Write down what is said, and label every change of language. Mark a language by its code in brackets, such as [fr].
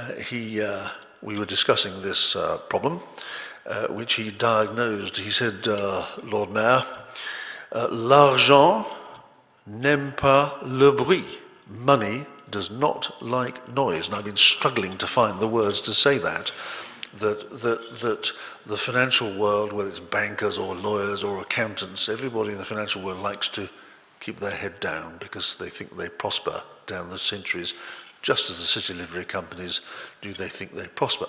[en] We were discussing this problem, which he diagnosed. He said, Lord Mayor, [fr] l'argent n'aime pas le bruit. [en] Money does not like noise. And I've been struggling to find the words to say that the financial world, whether it's bankers or lawyers or accountants, everybody in the financial world likes to keep their head down because they think they prosper down the centuries, just as the city livery companies do. They think they prosper.